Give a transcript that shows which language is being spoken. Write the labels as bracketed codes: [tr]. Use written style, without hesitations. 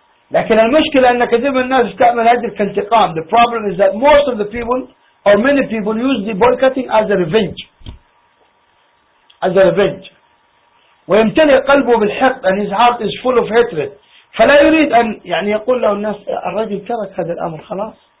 [ar] لكن المشكلة أن كثير من الناس يستعمل هجر كانتقام. [en] The problem is that most of the people or many people use the boycotting as a revenge. As a revenge. [ar] ويمتلئ قلبه بالحقد, [en] and his heart is full of hatred. [ar] فلا يريد أن يقول له الناس الرجل ترك هذا الأمر خلاص.